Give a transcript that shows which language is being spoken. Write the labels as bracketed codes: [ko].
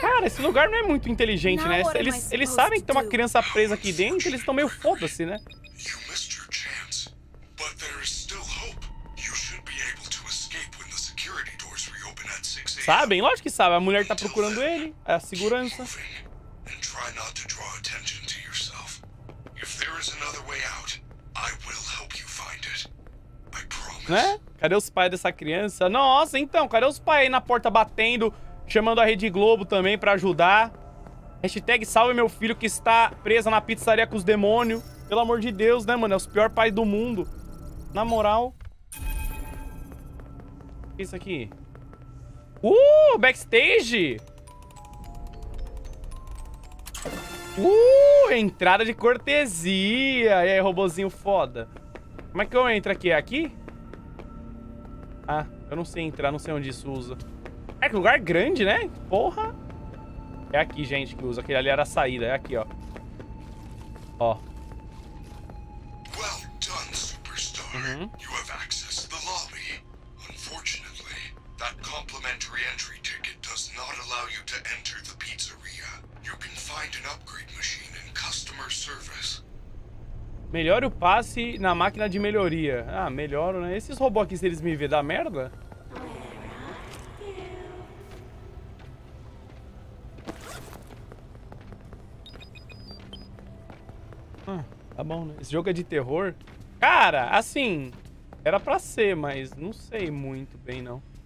[pt] Cara, esse lugar não é muito inteligente, né? Eles sabem que tem uma criança presa aqui dentro, eles estão meio foda-se, né? [en] You missed your chance, but there is still hope. You should be able to escape when the security doors reopen at 6 a.m. [pt] Sabem, lógico que sabe. A mulher tá procurando ele, é a segurança. [en] And try not to draw attention to yourself. If there is another way out, I will help you find it. I promise. [pt] Né? Cadê os pais dessa criança? Nossa, então, cadê os pais aí na porta batendo, chamando a Rede Globo também pra ajudar? Hashtag salve meu filho que está preso na pizzaria com os demônios. Pelo amor de Deus, né, mano? É os piores pais do mundo. Na moral... O que é isso aqui? Backstage! Entrada de cortesia! E aí, robozinho foda? Como é que eu entro aqui? É aqui? Ah, eu não sei entrar, não sei onde isso usa. É que lugar grande, né? Porra! É aqui, gente, que usa. Aquele ali era a saída. É aqui, ó. Ó. [en] Well done, Superstar. Uhum. You have access to the lobby. Unfortunately, that complimentary entry ticket does not allow you to enter the pizzeria. You can find an upgrade machine in customer service. [pt] Melhore o passe na máquina de melhoria. Ah, melhoro, né? Esses robôs aqui, se eles me verem, dá merda? Ah, Tá bom, né? Esse jogo é de terror? Cara, assim, era pra ser, mas não sei muito bem, não.